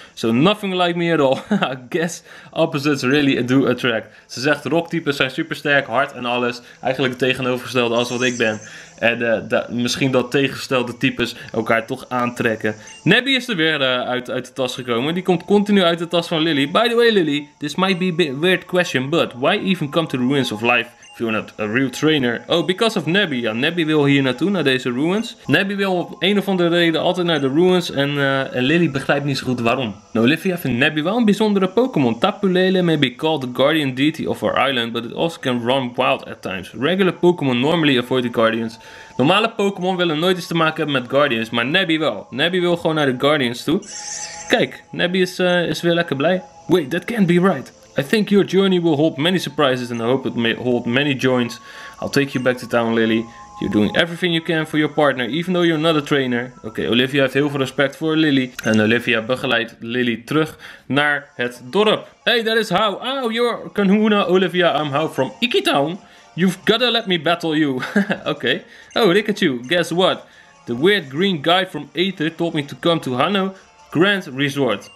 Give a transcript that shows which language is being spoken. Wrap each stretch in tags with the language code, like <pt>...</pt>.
<en>So nothing like me at all. I guess opposites really do attract.</en> <nl>Ze zegt rocktypes zijn supersterk, hard en alles. Eigenlijk het tegenovergestelde als wat ik ben. En misschien dat tegengestelde types elkaar toch aantrekken. Nebby is er weer uit de tas gekomen. Die komt continu uit de tas van Lily.</nl> <en>By the way, Lily, this might be a bit weird question, but why even come to the ruins of life if you're not a real trainer? Oh, because of Nebby.</en> <nl>Ja, Nebby wil hier naartoe, naar deze ruins. Nebby wil op een of andere reden altijd naar de ruins. En Lily begrijpt niet zo goed waarom. Nou, Olivia vindt Nebby wel een bijzondere Pokémon.</nl> <en>Tapu Lele may be called the guardian deity of our island, but it also can run wild at times. Regular Pokémon normally avoid the guardians.</en> <nl>Normale Pokémon willen nooit iets te maken hebben met Guardians, maar Nebby wel. Nebby wil gewoon naar de Guardians toe. Kijk, Nebby is weer lekker blij.</nl> <en>Wait, that can't be right. I think your journey will hold many surprises and I hope it may hold many joints. I'll take you back to town, Lily. You're doing everything you can for your partner, even though you're not a trainer.</en> <nl>Oké, Olivia heeft heel veel respect voor Lily. En Olivia begeleidt Lily terug naar het dorp.</nl> <en>Hey, that is how. Oh, you're Kanuna Olivia. I'm how from Ikitown. You've gotta let me battle you. Okay. Oh, look at you. Guess what? The weird green guy from Aether told me to come to Hano Grand Resort.</en>